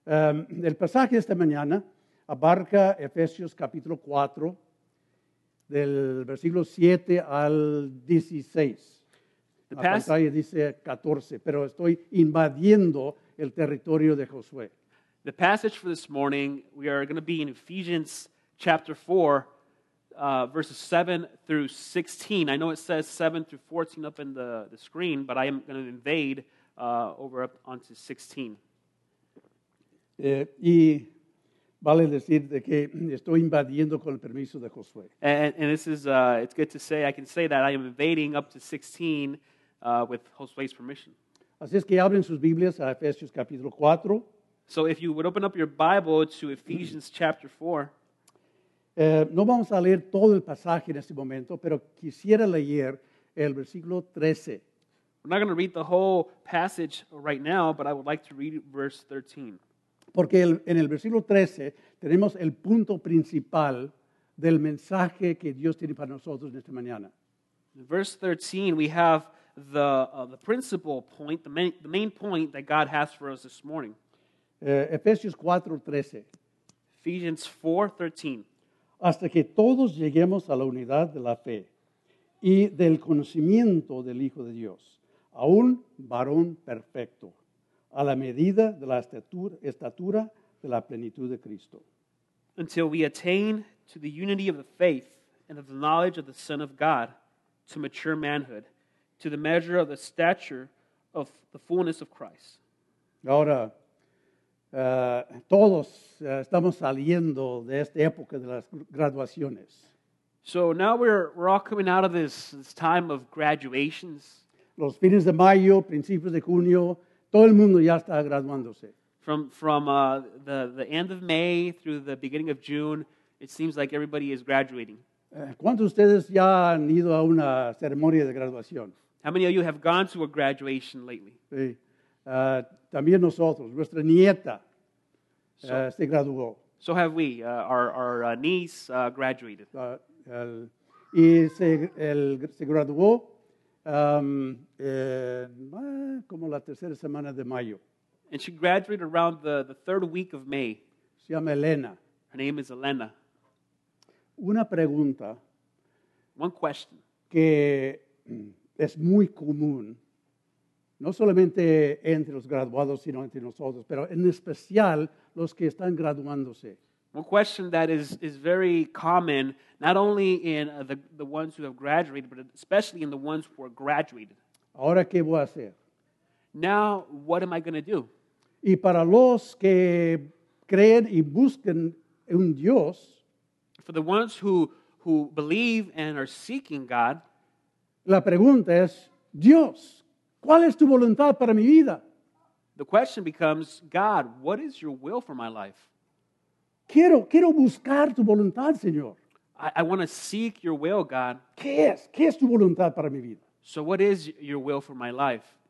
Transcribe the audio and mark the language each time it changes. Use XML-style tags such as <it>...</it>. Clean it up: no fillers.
<es>El pasaje esta mañana abarca Efesios capítulo 4, del versículo 7 al 16. La pantalla dice 14, pero estoy invadiendo el territorio de Josué.</es> <en>The passage for this morning, we are going to be in Ephesians chapter 4, verses 7 through 16. I know it says 7 through 14 up in the screen, but I am going to invade over up onto 16.</en> <es>Y vale decir de que estoy invadiendo con el permiso de Josué.</es> <en>And this is, it's good to say, I can say that I am invading up to 16 with Josué's permission.</en> <es>Así es que abren sus Biblias a Efesios capítulo 4.</es> <en>So if you would open up your Bible to Ephesians chapter 4.</en> <es>No vamos a leer todo el pasaje en este momento, pero quisiera leer el versículo 13.</es> <en>We're not going to read the whole passage right now, but I would like to read verse 13.</en> <es>Porque en el versículo 13 tenemos el punto principal del mensaje que Dios tiene para nosotros en esta mañana.</es> <en>In verse 13 we have the principal point, the main point that God has for us this morning.</en> <es>Efesios 4:13.</es> <en>Ephesians 4:13.</en> <es>Hasta que todos lleguemos a la unidad de la fe y del conocimiento del Hijo de Dios, a un varón perfecto, a la medida de la estatura de la plenitud de Cristo.</es> <en>Until we attain to the unity of the faith and of the knowledge of the Son of God, to mature manhood, to the measure of the stature of the fullness of Christ.</en> <es>Ahora, todos estamos saliendo de esta época de las graduaciones.</es> <en>So now we're all coming out of this time of graduations.</en> <es>Los fines de mayo, principios de junio, todo el mundo ya está graduándose.</es> <en>From the end of May through the beginning of June, it seems like everybody is graduating.</en> <es>¿Cuántos de ustedes ya han ido a una ceremonia de graduación?</es> <en>How many of you have gone to a graduation lately?</en> <es>Sí. También nosotros, nuestra nieta se graduó.</es> <en>So have we. Our niece graduated.</en> <es>Se graduó. Como la tercera semana de mayo.</es> <en>And she graduated around the third week of May.</en> <es>Se llama Elena.</es> <en>Her name is Elena.</en> <es>Una pregunta.</es> <en>One question.</en> <es>Que es muy común, no solamente entre los graduados, sino entre nosotros, pero en especial los que están graduándose.</es> <en>One question that is very common, not only in the ones who have graduated, but especially in the ones who are graduated.</en> <es>¿Ahora qué voy a hacer?</es> <en>Now, what am I going to do?</en> <es>Y para los que creen y buscan un Dios.</es> <en>For the ones who believe and are seeking God.</en> <es>La pregunta es, Dios, ¿cuál es tu voluntad para mi vida?</es> <en>The question becomes, God, what is your will for my life?</en> <es>Quiero buscar tu voluntad, Señor.</es> <en>I want to seek your will, God.</en> <es>¿Qué es tu voluntad para mi vida?</es> <en>So what is your will for my life?</en>